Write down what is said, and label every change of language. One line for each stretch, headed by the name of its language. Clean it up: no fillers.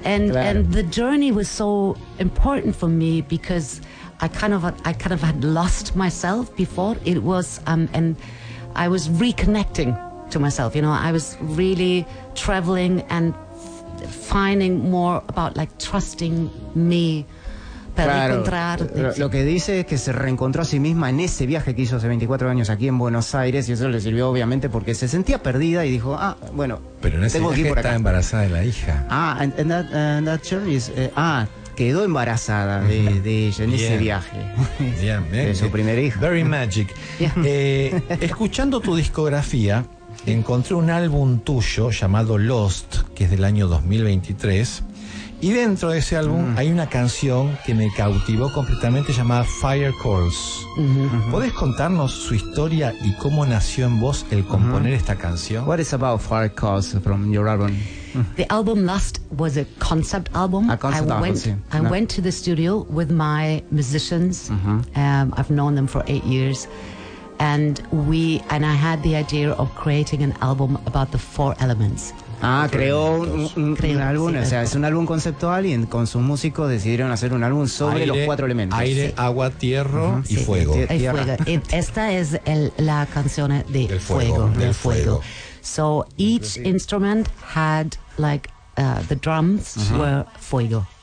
English: And the journey was so important for me because I kind of had lost myself before. It was and I was reconnecting to myself. You know, I was really traveling and finding more about like trusting me.
Spanish: Claro, lo que dice es que se reencontró a sí misma en ese viaje que hizo hace 24 años aquí en Buenos Aires, y eso le sirvió obviamente porque se sentía perdida y dijo, ah, bueno, pero en ese tengo viaje aquí por acá. Está embarazada de la hija. Ah,
English: and that journey is,
Spanish: quedó embarazada de ella en ese viaje. Bien. De su primer hijo.
English: Very magic.
Spanish: Escuchando tu discografía, encontré un álbum tuyo llamado Lost, que es del año 2023. Y dentro de ese álbum hay una canción que me cautivó completamente llamada Fire Calls. ¿Puedes contarnos su historia y cómo nació en vos el componer esta canción?
English: What is about Fire Calls from your album? The album Lust was a concept album. I went to the studio with my musicians. I've known them for 8 years. And I had the idea of creating an album about the four elements.
Spanish: Ah, creó un álbum, sí, o sea, es un álbum conceptual, y con sus músicos decidieron hacer un álbum sobre aire, los cuatro elementos. Aire, sí. Agua, tierra y fuego. Esta es la canción de del fuego.
English: So each instrument had like the drums uh-huh. were fuego.